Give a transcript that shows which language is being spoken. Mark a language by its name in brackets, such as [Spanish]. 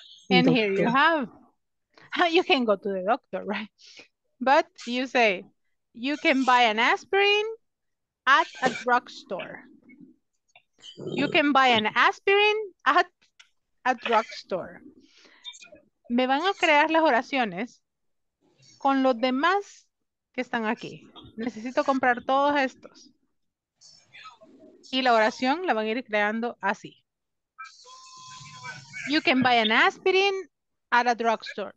[English] And here you have. You can go to the doctor, right? But you say, you can buy an aspirin at a drugstore. You can buy an aspirin at a drugstore. [Spanish] Me van a crear las oraciones con los demás que están aquí. Necesito comprar todos estos. Y la oración la van a ir creando así. [English] You can buy an aspirin at a drugstore.